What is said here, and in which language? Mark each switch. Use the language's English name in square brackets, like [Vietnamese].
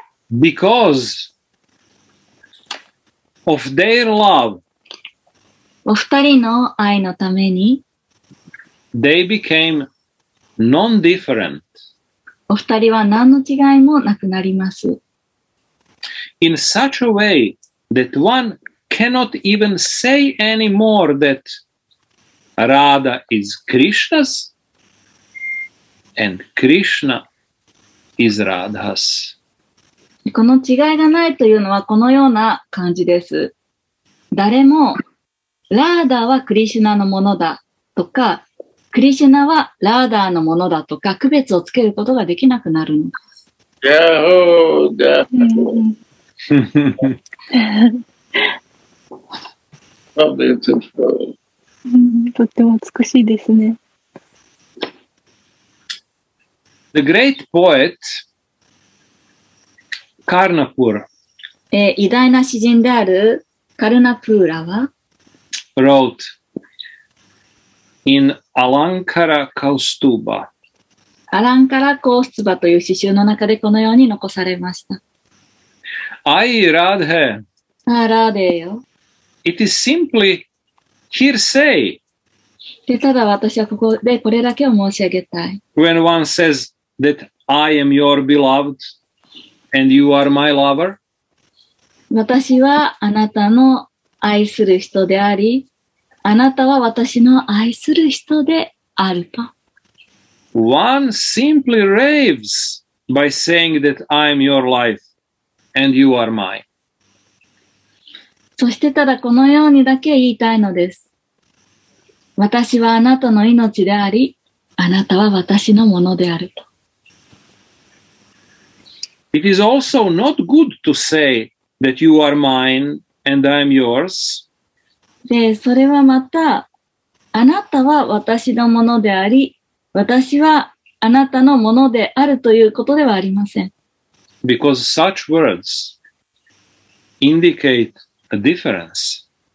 [English] because of their love, [Japanese] お二人の愛のために [English] they became non-different. [Japanese] お二人は何の違いもなくなります。 [English] In such a way that one cannot even say anymore that Radha is Krishna's and Krishna is Radha's. [Japanese] この違いがないというのはこのような感じです。誰もラーダはクリシュナのものだとか、クリシュナはラーダーのものだとか、区別をつけることができなくなるのです。ガホーガホー。とっても美しいですね。 [English] The great poet Karnapur. [Japanese] 偉大な詩人であるカルナプーラは [English] wrote in Alankara Kaustubha. [Japanese] アランカラ・コースツバという詩集の中でこのように残されました。 [English] I Radhe. [Japanese] ああ、ラーデーよ。 [English] It is simply hearsay. [Japanese] で、ただ私はここでこれだけを申し上げたい。 [English] When one says that I am your beloved and you are my lover. [Japanese] 私はあなたの愛する人であり、あなたは私の愛する人であると。 [English] One simply raves by saying that I'm your life and you are mine. [Japanese] そしてただこのようにだけ言いたいのです。私はあなたの命であり、あなたは私のものであると。 [English] It is also not good to say that you are mine. And I'm yours. [Japanese] で、それはまた、あなたは私のものであり、私はあなたのものであるということではありません。 [English] Because such words indicate a difference.